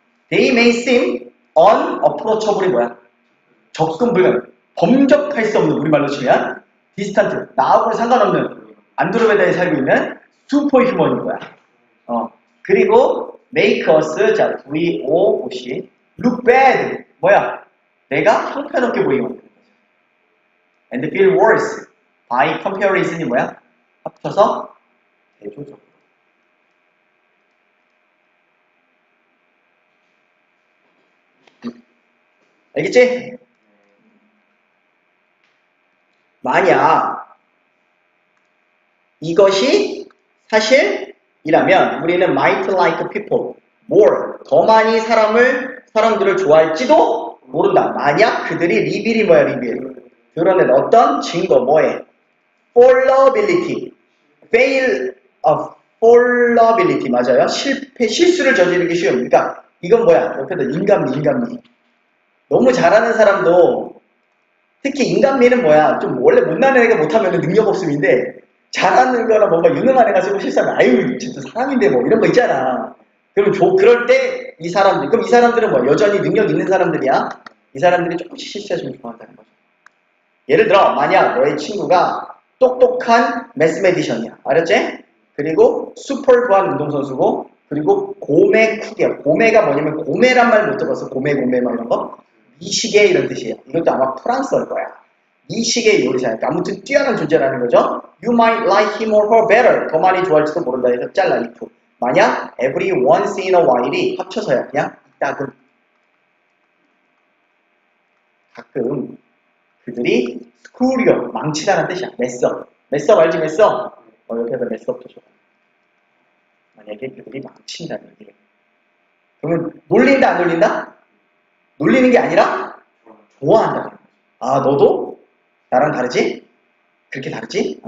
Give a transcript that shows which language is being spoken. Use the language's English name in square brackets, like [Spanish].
[English] They may seem unapproachable이 [Korean] 뭐야? 접근 불가능. 범접할 수 없는, 우리말로 치면. distant, 나하고는 상관없는, 안드로메다에 살고 있는 슈퍼 휴먼인 거야. 그리고 [English] make us, [Korean] 자, VOC, [English] look bad. [Korean] 뭐야? 내가 형편없게 보이면 되는 거지. [English] and feel worse. By comparison [Korean] 이 뭐야? 합쳐서 대조적으로. 알겠지? 만약 이것이 사실이라면 우리는 [English] might like people more, [Korean] 더 많이 사람들을 좋아할지도 모른다. 만약 그들이 리빌이 뭐야, 리빌. 드러낸 어떤 증거, 뭐에? [English] fallibility, fail of fallibility [Korean] 맞아요? 실패, 실수를 저지르기 쉬운. 그러니까 이건 뭐야? 옆에다 인간미, 인간미. 너무 잘하는 사람도 특히 인간미는 뭐야? 좀 원래 못난 애가 못하면 능력 없음인데 잘하는 거나 뭔가 유능한 애가 지금 실수하면 아유 진짜 사람인데 뭐 이런 거 있잖아. 그럼 그럴 때이 사람들, 그럼 이 사람들은 뭐 여전히 능력 있는 사람들이야? 이 사람들이 조금씩 실수하시면 좋아한다는 거죠. 예를 들어 만약 너의 친구가 똑똑한 매스메디션이야. 알았지? 그리고 슈퍼한 운동선수고, 그리고 고매 쿡이야. 고매가 뭐냐면 고매란 말못 들어봤어. 고매, 고매 막 이런 거. 미식의 이런 뜻이에요. 이것도 아마 프랑스어일 거야. 미식의 요리사니까. 아무튼 뛰어난 존재라는 거죠. [English] You might like him or her better. [Korean] 더 많이 좋아할지도 모른다 해서 잘라, if. [English] 만약 every once in a while이 [Korean] 합쳐서야. 그냥 이따금. 가끔. 그들이 스크류업 망치다란 뜻이야. 메스업. 메스업 알지? 메스업. 옆에다 메스업도 줘. 만약에 그들이 망친다는 얘기를. 그러면 놀린다 안 놀린다? 놀리는 게 아니라 좋아한다. 아 너도 나랑 다르지? 그렇게 다르지?